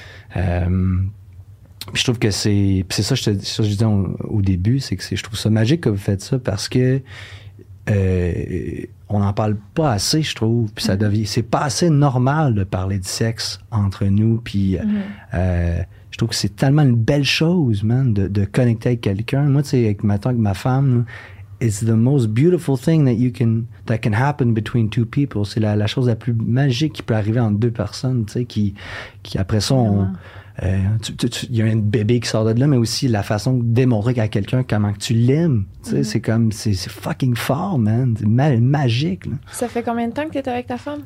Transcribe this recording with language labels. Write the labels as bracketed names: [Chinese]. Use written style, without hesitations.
[French] Puis je trouve que c'est ça, je disais au début, c'est que je trouve ça magique que vous faites ça, parce que on n'en parle pas assez, je trouve. Puis ça devient, c'est pas assez normal de parler de sexe entre nous. Puis je trouve que c'est tellement une belle chose, man, de connecter avec quelqu'un. Moi, tu sais, avec ma femme, [English] it's the most beautiful thing that can happen between two people. [French] C'est la chose la plus magique qui peut arriver entre deux personnes, tu sais, qui après ça, on. Il y a un bébé qui sort de là, mais aussi la façon de démontrer à quelqu'un comment que tu l'aimes. Mm-hmm. C'est comme, c'est fucking fort, man. C'est magique. Là. Ça fait combien de temps que tu es avec ta femme?